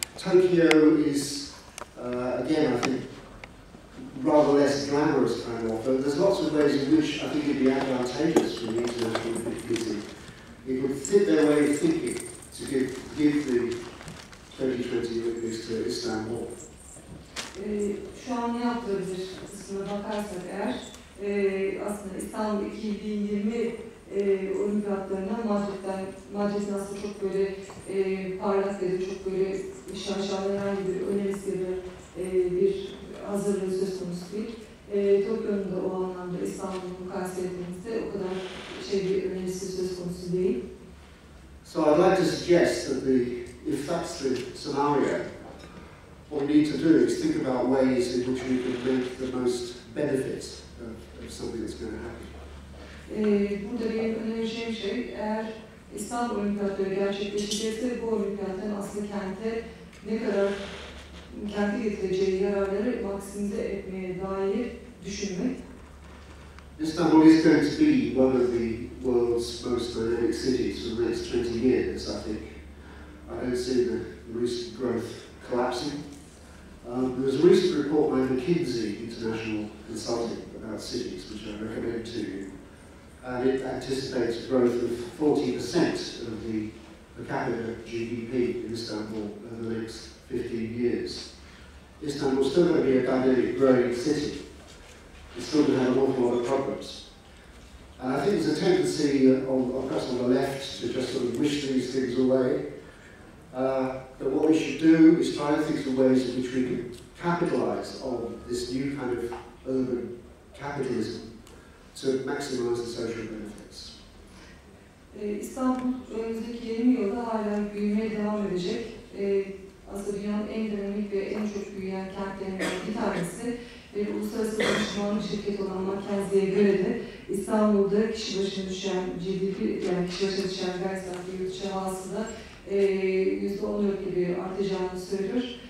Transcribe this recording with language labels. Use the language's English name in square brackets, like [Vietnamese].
[English] Tokyo is, again, I think, rather less glamorous kind of offer. There's lots of ways in which I think it'd be advantageous for the International Olympic Committee. It would fit their way of thinking to give the 2020 Olympics to Istanbul. [Turkish] Şu an ne yaptığımız kısmına bakarsak eğer, aslında İstanbul 2020 Olimpiyatlarına Madrid'den aslında çok böyle parlak ya da çok böyle şaşalı herhangi bir önemsiz ya da bir hazırlığı söz konusu değil. Tokyo'nun da o anlamda İstanbul'u mukayese ettiğimizde o kadar şey bir önemsiz söz konusu değil. [English] So I'd like to suggest that the if that's the scenario, what we need to do is think about ways in which we can make the most benefit of something that's going to happen. [Turkish] Burada benim önereceğim şey, eğer İstanbul Olimpiyatları gerçekleşecekse bu olimpiyatların aslında kente ne kadar kente getireceği yararları maksimize etmeye dair düşünmek. [English] Istanbul is going to be one of the world's most dynamic cities for the next 20 years, I think. I don't see the recent growth collapsing. There was a recent report by McKinsey International Consulting about cities, which I recommend to you. And it anticipates growth of 40% of the per capita GDP in Istanbul over the next 15 years. Istanbul is still going to be a dynamic growing city. It's still going to have an awful lot of problems. And I think there's a tendency across on the left to just sort of wish these things away. But what we should do is try to think of ways in which we can capitalize on this new kind of urban capitalism to maximize the social benefits. [Turkish] İstanbul önümüzdeki 20 yılda hala büyümeye devam edecek. Aslında dünyanın en dinamik ve en çok büyüyen kentlerinden bir tanesi. Uluslararası danışmanlık şirketi olan McKinsey'e göre de İstanbul'da kişi başına düşen GDP, yani kişi başına düşen gayri safi yurt içi hasıla %14 gibi artacağını söylüyor.